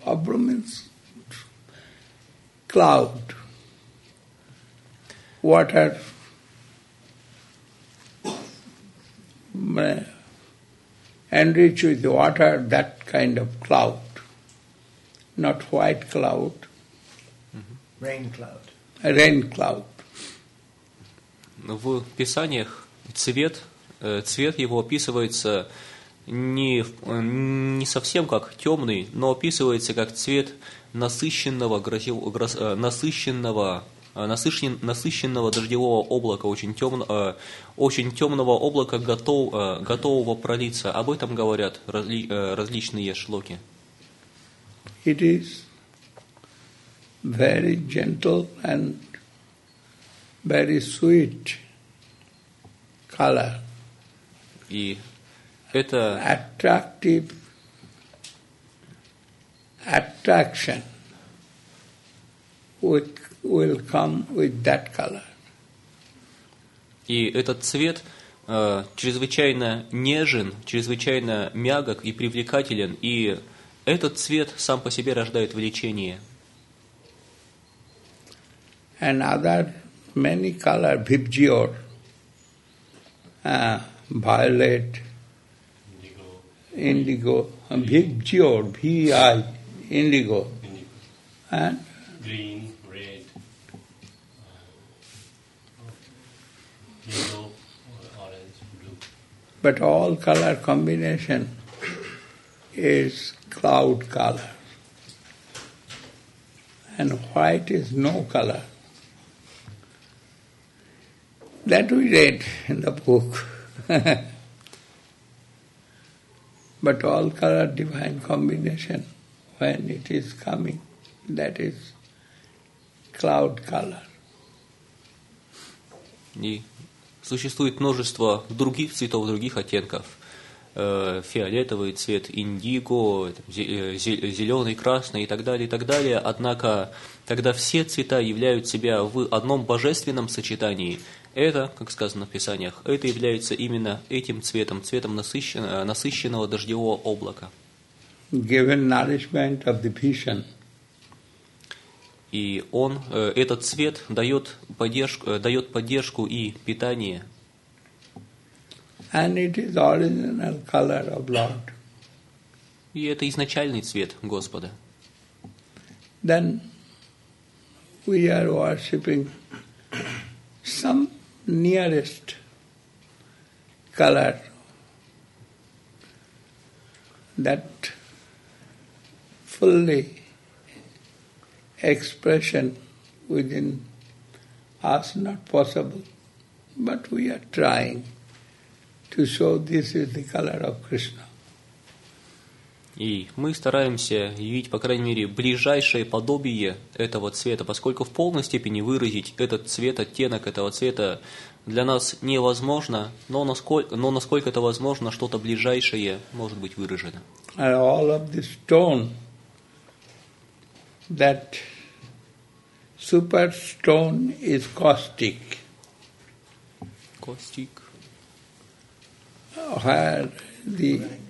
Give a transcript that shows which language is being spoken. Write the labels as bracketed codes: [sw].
[en] Abhra means cloud, water, enriched with water, that kind of cloud, not white cloud. Mm-hmm. Rain cloud. Rain cloud. [ru] В писаниях цвет его описывается не совсем как темный, но описывается как цвет насыщенного дождевого облака, очень темного облака, готового пролиться. Об этом говорят различные шлоки. [en] It is very gentle and very sweet color. [ru] И это [en] attractive attraction will come with that color. [ru] И этот цвет чрезвычайно нежен, чрезвычайно мягок и привлекателен, и этот цвет сам по себе рождает влечение. [en] And other many color, vibgior, violet, indigo, vibgior, V-I, indigo, and green. But all color combination is cloud color. And white is no color. That we read in the book. But all color divine combination, when it is coming, that is cloud color. Yeah. [ru] Существует множество других цветов, других оттенков. Фиолетовый цвет, индиго, зеленый, красный и так далее, и так далее. Однако, когда все цвета являют себя в одном божественном сочетании, это, как сказано в Писаниях, это является именно этим цветом, цветом насыщенного дождевого облака. [en] Given nourishment of the vision. [ru] И он, этот цвет дает поддержку и питание. [en] And it is original color of Lord. [ru] И это изначальный цвет Господа. [en] Then we are worshipping some nearest color that fully expression within us not possible, but we are trying to show this is the color of Krishna. [ru] И мы стараемся видеть, по крайней мере, ближайшее подобие этого цвета, поскольку в полной степени выразить этот цвет, оттенок этого цвета для нас невозможно, но насколько это возможно, что-то ближайшее может быть выражено. [en] And all of this tone that super stone is caustic. Caustic. Where the